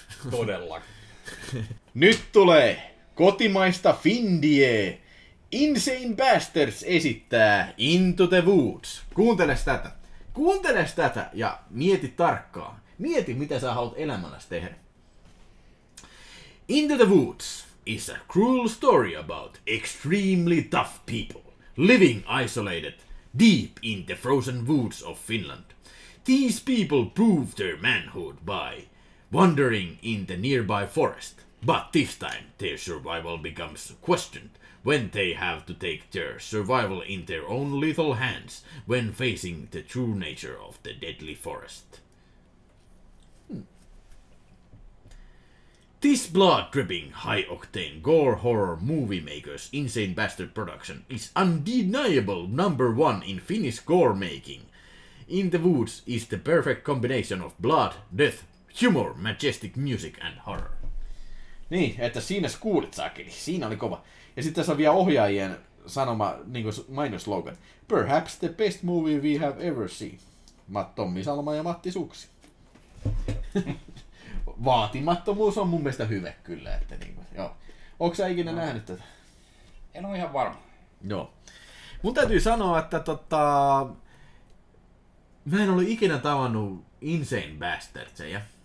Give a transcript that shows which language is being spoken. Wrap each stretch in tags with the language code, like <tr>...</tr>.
<fi>Todellakin. Nyt tulee kotimaista Findie. Insane Bastards esittää Into the Woods. Kuunteles tätä ja mieti tarkkaan. Mieti, mitä sä haluat elämälläsi tehdä.</fi> <en>Into the Woods is a cruel story about extremely tough people living isolated deep in the frozen woods of Finland. These people prove their manhood by wandering in the nearby forest. But this time their survival becomes questioned when they have to take their survival in their own lethal hands when facing the true nature of the deadly forest. This blood-dripping, high-octane, gore-horror movie makers Insane Bastard production is undeniable number one in Finnish gore-making. In the Woods is the perfect combination of blood, death, humor, majestic music and horror.</en> <fi>Niin, että siinä kuulit saakin. Siinä oli kova. Ja sitten tässä on vielä ohjaajien sanoma, niin kuin mainoslogan.</fi> <en>Perhaps the best movie we have ever seen.</en> <fi>Tommi Salma ja Matti Suksi. Vaatimattomuus on mun mielestä hyvä kyllä, että niin kuin, joo. Ootko sä ikinä nähnyt tätä? En ole ihan varma. Joo. Mun täytyy sanoa, että mä en ole ikinä tavannut Insane Bastardseja.</fi>